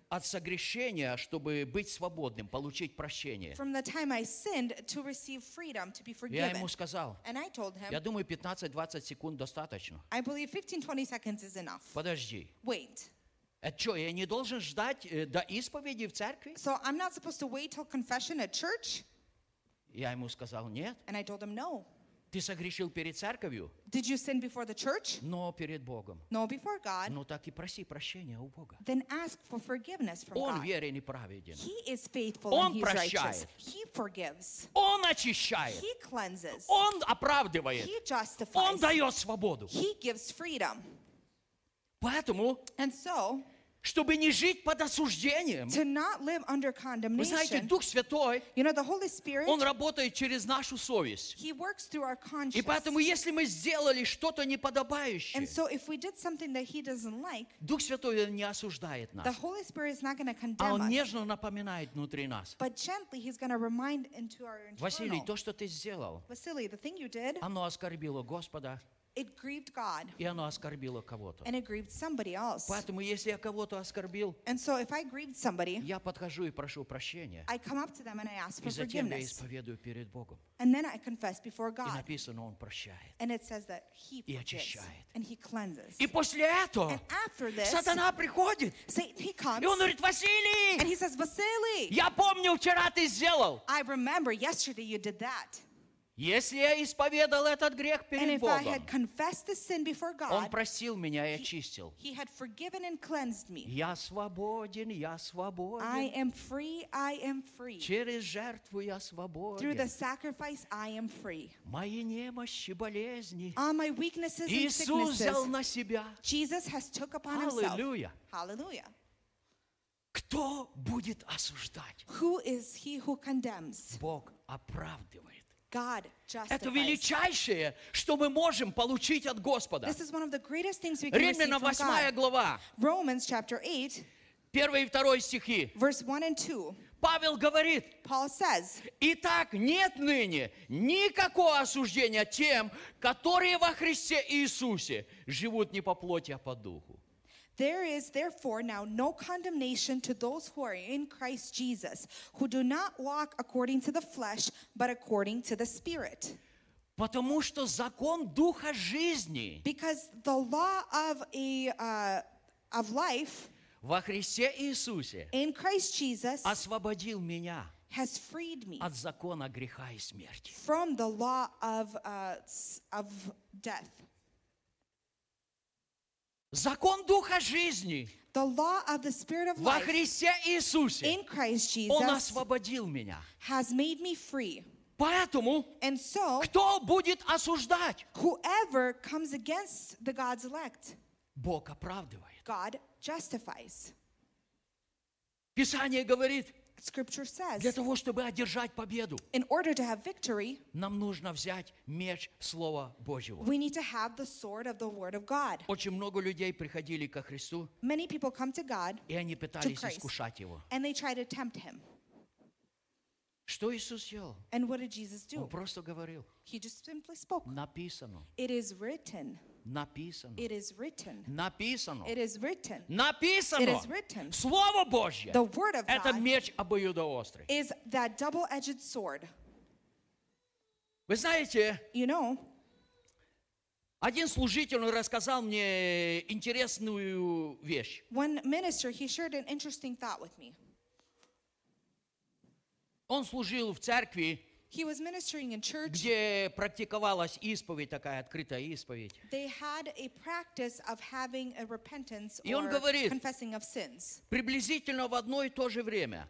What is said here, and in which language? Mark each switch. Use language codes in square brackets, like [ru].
[ru] От согрешения, чтобы быть свободным, получить прощение. [en] From the time I sinned to receive freedom to be forgiven. [ru] Я ему сказал. [en] And I told him. [ru] Я думаю, 15-20 секунд достаточно. [en] I believe 15-20 seconds is enough. [ru] Подожди. [en] Wait. [ru] А что, я не должен ждать до исповеди в церкви? [en] So I'm not supposed to wait till confession at church? [ru] Я ему сказал нет. [en] And I told him no. [ru] Ты согрешил перед церковью? [en] Did you sin before the church? [ru] Но перед Богом. [en] No, before God. [ru] Ну так и проси прощения у Бога. [en] Then ask for forgiveness from God. [ru] Он верен и праведен. [en] He is faithful [ru] Он [en] and he [ru] прощает. [en] Is righteous. He forgives. [ru] Он очищает. [en] He cleanses. [ru] Он оправдывает. [en] He justifies. [ru] Он дает свободу. [en] He gives freedom. [ru] Поэтому, [en] and so, [ru] чтобы не жить под осуждением. [en] To not live under condemnation. [ru] Вы знаете, Дух Святой, [en] you know, the Holy Spirit, [ru] Он работает через нашу совесть. [en] He works through our conscience. [ru] И поэтому, если мы сделали что-то неподобающее, [en] and so if we did something that he doesn't like, [ru] Дух Святой не осуждает нас. [en] The Holy Spirit is not going to condemn us. [ru] А Он нежно напоминает внутри нас. [en] But gently he's going to remind into our internal. [ru] Василий, то, что ты сделал, [en] Vasiliy, the thing you did, [ru] оно оскорбило Господа. [en] It grieved God. [ru] И оно оскорбило кого-то. [en] And it grieved somebody else. [ru] Поэтому, если я кого-то оскорбил, [en] and so if I grieved somebody, [ru] я подхожу и прошу прощения. [en] I come up to them and I ask и for forgiveness. [ru] И затем я исповедую перед Богом. [en] And then I confess before God. [ru] И написано, он прощает. [en] And it says that he forgives. [ru] И очищает. [en] And he cleanses. [ru] И после этого, [en] and after this, [ru] сатана приходит. [en] Satan, he comes. [ru] И он говорит, Василий! [en] And he says, Vasiliy! [ru] Я помню, вчера ты сделал. [en] I remember yesterday you did that. [ru] Если я исповедал этот грех перед [en] and if [ru] Богом, [en] I had confessed the sin before God, [ru] он просил меня и очистил. [en] He had forgiven and cleansed me. [ru] Я свободен, я свободен. [en] I am free, I am free. [ru] Через жертву я свободен. [en] Through the sacrifice, I am free. [ru] Мои немощи, болезни, [en] all my weaknesses and sicknesses, [ru] Иисус взял на себя. [en] Jesus has took upon Hallelujah. Himself. Hallelujah. [ru] Кто будет осуждать? [en] Who is he who condemns? [ru] Бог оправдывает. [en] God justifies. [ru] Это величайшее, что мы можем получить от Господа. [en] This is one of the greatest things we can receive from God. [ru] Римлянам 8 глава. [en] Romans chapter 8. [ru] 1 и 2 стихи. [en] Verse 1 and 2. [ru] Павел говорит. [en] Paul says. [ru] Итак, нет ныне никакого осуждения тем, которые во Христе Иисусе живут не по плоти, а по духу. [en] There is therefore now no condemnation to those who are in Christ Jesus, who do not walk according to the flesh, but according to the Spirit. [ru] Потому что закон духа жизни. [en] Because the law of a of life. [ru] Во Христе Иисусе. [en] In Christ Jesus. [ru] Освободил меня. [en] Has freed me. [ru] От закона греха и смерти. [en] From the law of death. [ru] Закон Духа Жизни [en] the law of the Spirit of life [ru] во Христе Иисусе [en] in Christ Jesus [ru] Он освободил меня. [en] Has made me free. [ru] Поэтому [en] and so, [ru] кто будет осуждать? [en] Whoever comes against the God's elect [ru] Бог оправдывает. [en] God justifies. [ru] Писание говорит [en] Scripture says, [ru] для того, чтобы одержать победу, [en] in order to have victory, [ru] нам нужно взять меч Слова Божьего. [en] We need to have the sword of the Word of God. [ru] Очень много людей приходили ко Христу, [en] many people come to God, [ru] и они пытались [en] to Christ, [ru] искушать Его. [en] And they try to tempt Him. [ru] Что Иисус сделал? [en] And what did Jesus do? [ru] Он просто говорил. [en] He just simply spoke. [ru] Написано. [en] It is written. [ru] Написано. [en] It is written. [ru] Написано. [en] It is written. [ru] Написано. [en] It is written. [ru] Слово Божье. [en] The word of God. [ru] Это меч обоюдоострый. [en] Is that double-edged sword. [ru] Вы знаете? [en] You know. [ru] Один служитель рассказал мне интересную вещь. [en] One minister, he shared an interesting thought with me. [ru] Он служил в церкви. [en] He was ministering in church. [ru] Где практиковалась исповедь такая открытая исповедь. [en] They had a practice of having a repentance [ru] и [en] or [ru] говорит, [en] confessing of sins. [ru] Приблизительно в одно и то же время.